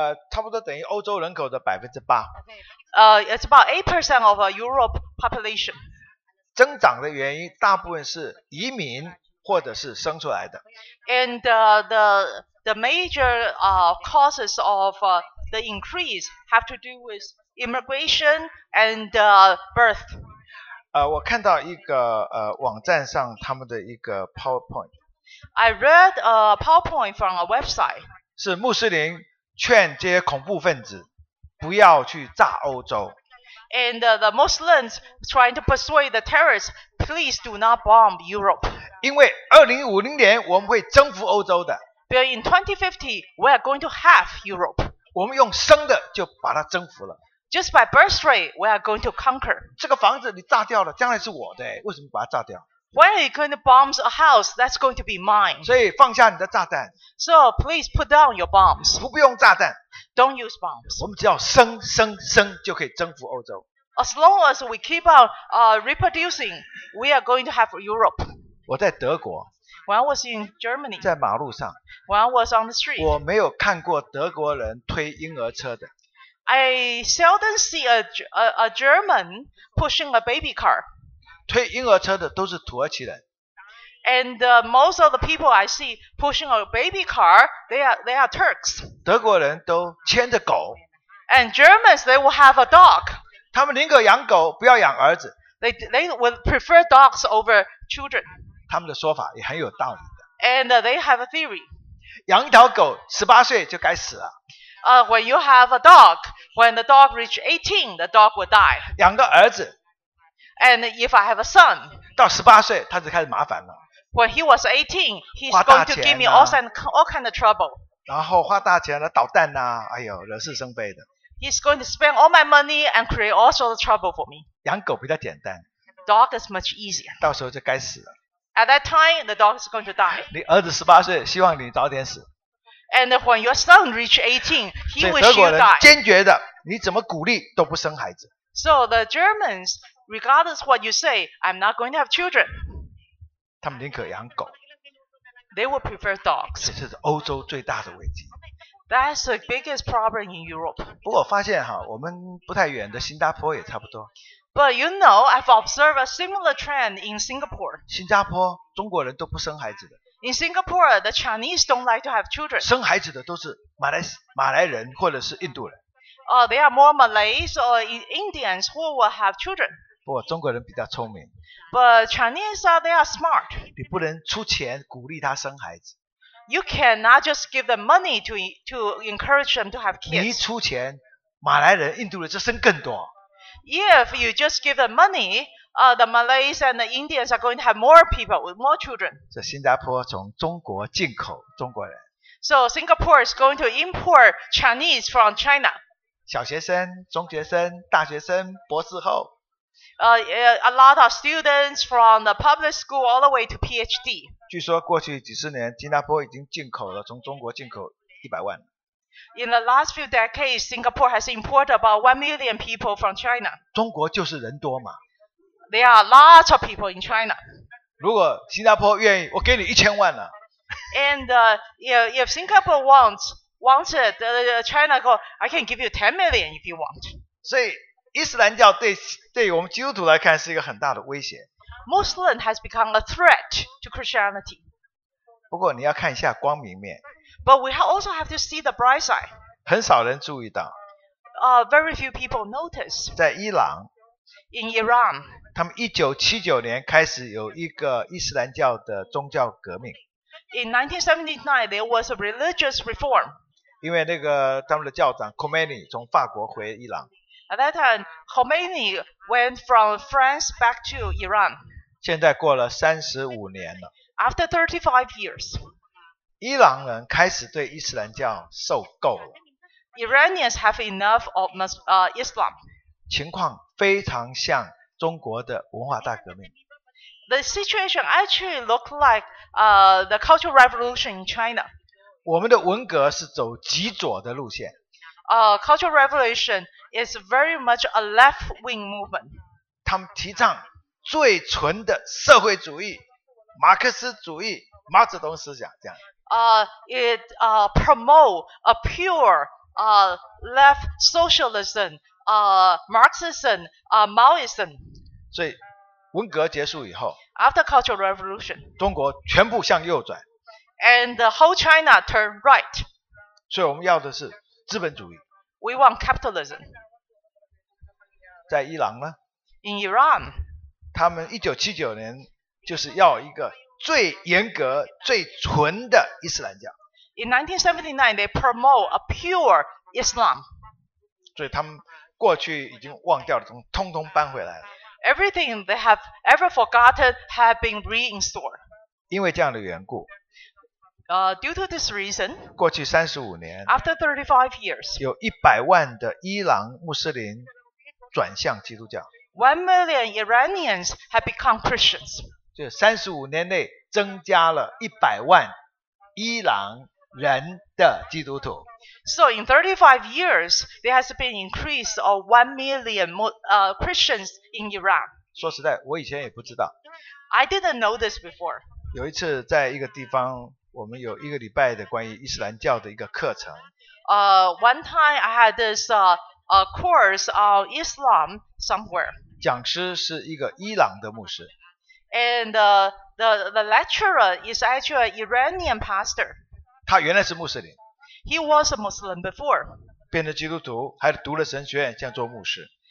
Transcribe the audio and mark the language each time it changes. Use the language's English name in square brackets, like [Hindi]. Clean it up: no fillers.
[Chinese] 差不多等于欧洲人口的8%。 [English] It's about 8% of Europe population. [Chinese] 增长的原因大部分是移民或者是生出来的。 [English] And the major causes of the increase have to do with immigration and birth. [Chinese] 我看到一个网站上他们的一个 PowerPoint. [English] I read a PowerPoint from a website. [Chinese] 是穆斯林劝这些恐怖分子不要去炸欧洲。 [English] And the Muslims trying to persuade the terrorists, please do not bomb Europe. [Chinese] 因为2050年我们会征服欧洲的。 [English] But in 2050, we are going to have Europe. [Chinese] 我们用生的就把它征服了。 [English] Just by birth rate, we are going to conquer. [Chinese] 这个房子你炸掉了，将来是我的，为什么把它炸掉？ [English] Why are you going to bomb a house that's going to be mine? [Chinese] 所以放下你的炸弹。 [English] So please put down your bombs. [Chinese] 不用炸弹。 [English] Don't use bombs. [Chinese] 我们只要生生生就可以征服欧洲。 [English] As long as we keep on reproducing, we are going to have Europe. [Chinese] 我在德国。 [English] When I was in Germany, [Chinese] 在马路上。 [English] When I was on the street, [Chinese] 我没有看过德国人推婴儿车的。 [English] I seldom see a German pushing a baby car. [Chinese] 推婴儿车的都是土耳其人。 [English] And most of the people I see pushing a baby car, they are Turks. [Chinese] 德国人都牵着狗。 [English] And Germans, they will have a dog. [Chinese] 他们宁可养狗，不要养儿子。 [English] They would prefer dogs over children. [Chinese] 他们的说法也很有道理的。 [English] And they have a theory. [Chinese] 养一条狗，18岁就该死了。 [English] When you have a dog, when the dog reaches 18, the dog will die. [Chinese] 养个儿子。 [English] And if I have a son, [Chinese] 到18岁他就开始麻烦了。 [English] When he was 18, he's going to give me all kinds of trouble. [Chinese] 然后花大钱来捣蛋啊，哎呦，惹是生非的。 [English] He's going to spend all my money and create all sorts of trouble for me. [Chinese] 养狗比较简单。 [English] Dog is much easier. [Chinese] 到时候就该死了。 [English] At that time, the dog is going to die. [Chinese] 你儿子18岁，希望你早点死。 [English] And when your son reaches 18, he wishes you die. [Chinese] 德国人坚决的，你怎么鼓励都不生孩子。 [English] So the Germans, regardless what you say, I'm not going to have children. [Chinese] 他们宁可养狗。 [English] They would prefer dogs. [Chinese] 这是欧洲最大的危机。 [English] That's the biggest problem in Europe. [Chinese] 不过我发现哈，我们不太远的新加坡也差不多。 [English] But you know, I've observed a similar trend in Singapore. [Chinese] 新加坡中国人都不生孩子的。 [English] In Singapore, the Chinese don't like to have children. [Chinese] 生孩子的都是马来人或者是印度人。 [English] They are more Malays or Indians who will have children. [Chinese] 不过中国人比较聪明。 [English] But Chinese, they are smart. [Chinese] 你不能出钱鼓励他生孩子。 [English] You cannot just give them money to encourage them to have kids. [Chinese] 你一出钱，马来人、印度人就生更多。 [English] If you just give them money, the Malays and the Indians are going to have more people with more children. [Chinese] 这新加坡从中国进口中国人。 [English] So Singapore is going to import Chinese from China. [Chinese] 小学生、中学生、大学生、博士后。 [English] A lot of students from the public school all the way to PhD. [Chinese] 据说过去几十年，新加坡已经进口了，从中国进口100万。 [English] In the last few decades, Singapore has imported about 1 million people from China. [Chinese] 中国就是人多嘛。 [English] There are lots of people in China. [Chinese] 如果新加坡愿意，我给你1000万呢。 [English] And if Singapore wants it, China go, I can give you 10 million if you want. [Chinese] 所以伊斯兰教对我们基督徒来看是一个很大的威胁。 [English] Muslim has become a threat to Christianity. [Chinese] 不过你要看一下光明面。 [English] But we also have to see the bright side. [Chinese] 很少人注意到。 [English] Very few people notice. [Chinese] 在伊朗。 [English] In Iran. [Chinese] 他们1979年开始有一个伊斯兰教的宗教革命。 [English] In 1979, there was a religious reform. [Chinese] 因为那个他们的教长 Khomeini 从法国回伊朗。 [English] At that time, Khomeini went from France back to Iran. [Chinese] 现在过了35年了。 [English] After 35 years. [Chinese] 伊朗人开始对伊斯兰教受够了。 [English] Iranians have enough of Islam. [Chinese] 情况非常像中国的文化大革命。 [English] The situation actually looked like the Cultural Revolution in China. [Chinese] 我们的文革是走极左的路线。 [English] Cultural Revolution is very much a left-wing movement. [Chinese] 他们提倡最纯的社会主义、马克思主义、毛泽东思想这样。 [English] It promote a pure left socialism, Marxism, Maoism. [Chinese] 所以文革结束以后 [English] ，After Cultural Revolution， [Chinese] 中国全部向右转 [English] ，And the whole China turned right. [Chinese] 所以我们要的是资本主义。 [English] We want capitalism. [Chinese] 在伊朗呢 [English] ？In Iran， [Chinese] 他们1979年就是要一个。最严格、最纯的伊斯兰教。 [English] In 1979, they promote a pure Islam. [Chinese] 所以他们过去已经忘掉的东西通通搬回来了。 [English] Everything they have ever forgotten had been reinstored. [Chinese] 因为这样的缘故。 [English] Due to this reason, [Chinese] 过去35年 [English] after 35 years, [Chinese] 有100万的伊朗穆斯林转向基督教。 [English] 1 million Iranians have become Christians. [Chinese] 就35年内增加了100万伊朗人的基督徒。 [English] So in 35 years, there has been increase of 1 million Christians in Iran. [Chinese] 说实在，我以前也不知道。 [English] I didn't know this before. [Chinese] 有一次在一个地方，我们有一个礼拜的关于伊斯兰教的一个课程。 [English] One time I had this course on Islam somewhere. [Chinese] 讲师是一个伊朗的牧师。 [English] And the lecturer is actually an Iranian pastor. [Chinese] 他原来是穆斯林。 [English] He was a Muslim before. [Chinese] 变成基督徒，还读了神学院，想做牧师。